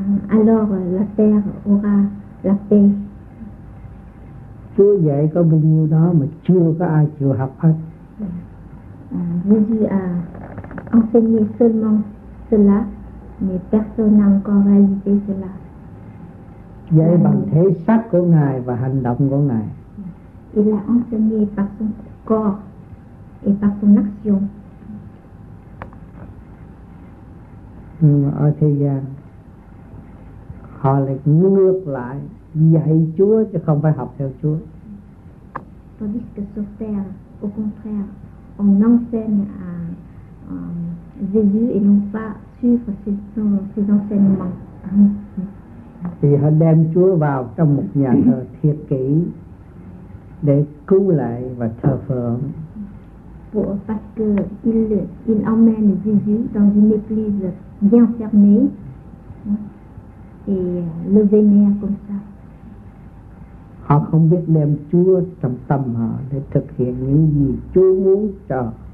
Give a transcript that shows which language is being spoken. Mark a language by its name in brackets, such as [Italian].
[French] Alors la terre aura la paix. [Vietnamese] Chúa dạy có bao nhiêu đó mà chưa có ai chịu học hết. [French] Jésus a enseigné seulement cela, mais personne n'a encore réalisé cela. [Vietnamese] Dạy bằng thể xác của Ngài và hành động của Ngài. [French] Il a enseigné par son corps et par son action. [Vietnamese] Nhưng mà ở thế gian, họ lại ngược lại dạy Chúa chứ không phải học theo Chúa. [French] Tandis que sur terre, au contraire, on enseigne à Jésus et non pas suivre ses enseignements. [Vietnamese] Thì họ đem Chúa vào trong một nhà thờ thiệt kỹ để cứu lại và thờ phượng. [French] Parce que il emmène Jésus dans une église bien fermée et le vénère comme ça. [Vietnamese] Họ không biết đem Chúa trong tâm họ để thực hiện những gì Chúa muốn cho.